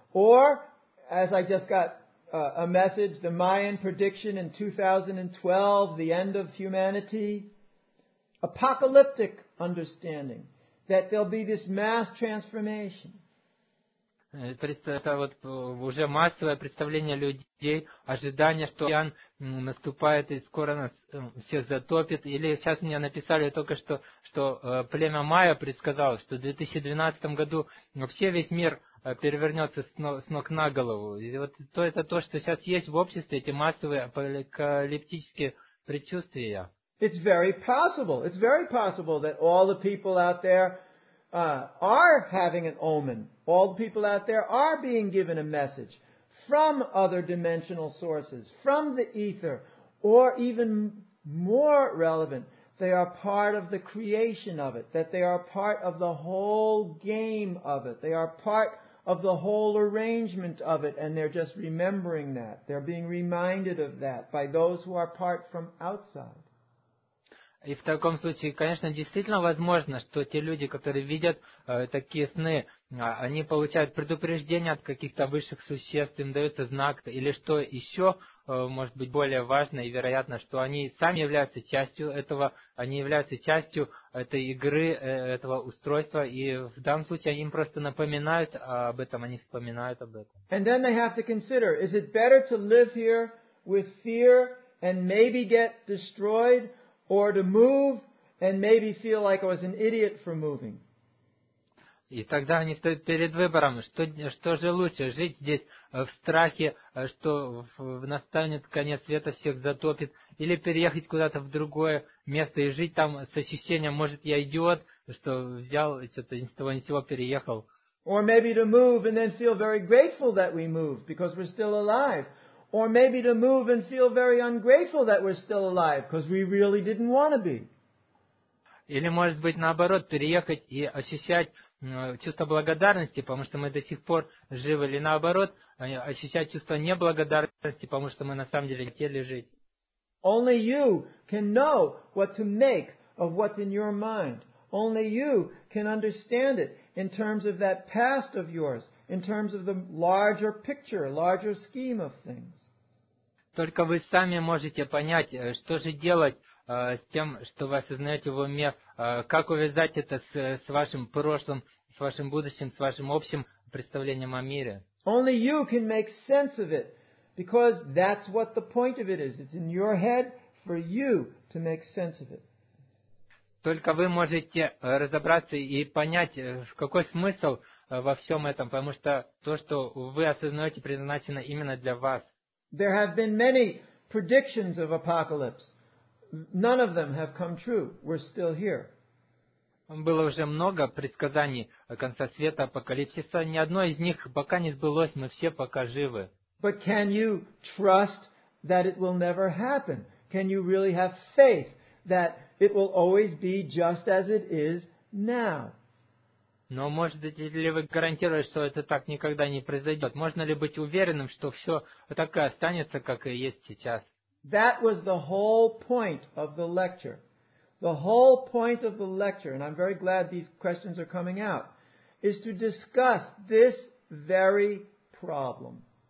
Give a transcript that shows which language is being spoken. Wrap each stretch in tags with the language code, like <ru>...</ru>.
<en>Or, as I just got a message, the Mayan prediction in 2012, the end of humanity. Apocalyptic understanding that there'll be this mass transformation.</en> <ru>Это вот уже массовое представление людей, ожидание, что океан наступает и скоро нас всех затопит. Или сейчас мне написали только что, что племя Майя предсказало, что в 2012 году вообще весь мир перевернется с ног на голову. И вот то, это то, что сейчас есть в обществе, эти массовые апокалиптические предчувствия.</ru> <en>It's very possible. It's very possible that all the people out there are having an omen. All the people out there are being given a message from other dimensional sources, from the ether, or even more relevant, they are part of the creation of it, that they are part of the whole game of it. They are part of the whole arrangement of it, and they're just remembering that. They're being reminded of that by those who are part from outside.</en> <ru>И в таком случае, конечно, действительно возможно, что те люди, которые видят такие сны, они получают предупреждение от каких-то высших существ, им дается знак, или что еще может быть более важно и вероятно, что они сами являются частью этого, они являются частью этой игры, этого устройства, и в данном случае они им просто напоминают об этом, они вспоминают об этом.</ru> <en>And then they have to consider, is it better to live here with fear and maybe get destroyed? Or to move and maybe feel like I was an idiot for moving.</en> <ru>И тогда они стоят перед выбором, что же лучше, жить здесь в страхе, что настанет конец света, всех затопит, или переехать куда-то в другое место и жить там с ощущением, может, я идиот, что взял что-то ни с того ни с сего переехал.</ru> <en>Or maybe to move and then feel very grateful that we moved because we're still alive. Or maybe to move and feel very ungrateful that we're still alive, because we really didn't want to be.</en> <ru>Или может быть наоборот, переехать и ощущать чувство благодарности, потому что мы до сих пор живы, или наоборот, ощущать чувство неблагодарности, потому что мы на самом деле хотели жить.</ru> <en>Only you can know what to make of what's in your mind. Only you can understand it in terms of that past of yours, in terms of the larger picture, larger scheme of things.</en> <ru>Только вы сами можете понять, что же делать с тем, что вы осознаете в уме, как увязать это с вашим прошлым, с вашим будущим, с вашим общим представлением о мире.</ru> <en>Only you can make sense of it, because that's what the point of it is. It's in your head for you to make sense of it.</en> <ru>Только вы можете разобраться и понять, какой смысл во всем этом, потому что то, что вы осознаете, предназначено именно для вас.</ru> <en>There have been many predictions of apocalypse. None of them have come true. We're still here.</en> <ru>Было уже много предсказаний конца света, апокалипсиса. Ни одно из них пока не сбылось. Мы все пока живы.</ru> <en>But can you trust that it will never happen? Can you really have faith that it will always be just as it is now?</en> <ru>Но можете ли вы гарантировать, что это так никогда не произойдет? Можно ли быть уверенным, что все так и останется, как и есть сейчас?</ru> <en>That was the whole point of the lecture. The whole point of the lecture, and I'm very glad these questions are coming out, is to discuss this very problem.</en>